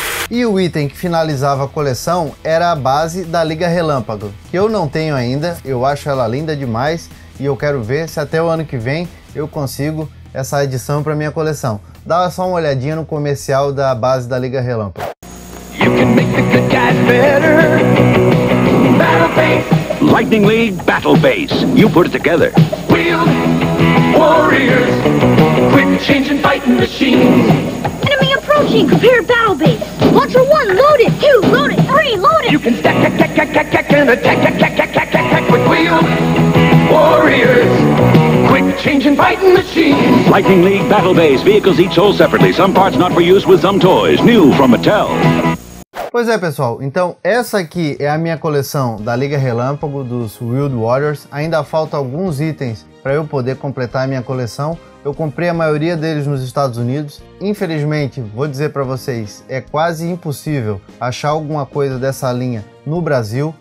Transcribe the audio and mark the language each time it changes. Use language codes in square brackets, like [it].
[pt] E o item que finalizava a coleção era a base da Liga Relâmpago, que eu não tenho ainda, eu acho ela linda demais e eu quero ver se até o ano que vem eu consigo essa edição para minha coleção. Dá só uma olhadinha no comercial da base da Liga Relâmpago. [en] You can make the good guys better. Battle Base. Lightning League Battle Base. You put it together. We'll warriors. Quick change and fighting machines. Enemy approaching. Prepare Battle Base. Launcher 1 loaded. 2 loaded. 3 loaded. You can stack, stack, stack, stack, stack, stack, and attack, stack, stack, stack, stack, stack, stack, stack, stack, stack, stack, stack, stack, stack, stack, changing fighting machines. Lightning League Battle Base. Vehicles each sold separately. Some parts not for use with some toys. New from Mattel. [pt] Pois é, pessoal. Então, essa aqui é a minha coleção da Liga Relâmpago dos Wild Warriors. Ainda faltam alguns itens para eu poder completar a minha coleção. Eu comprei a maioria deles nos Estados Unidos. Infelizmente, vou dizer para vocês, é quase impossível achar alguma coisa dessa linha no Brasil.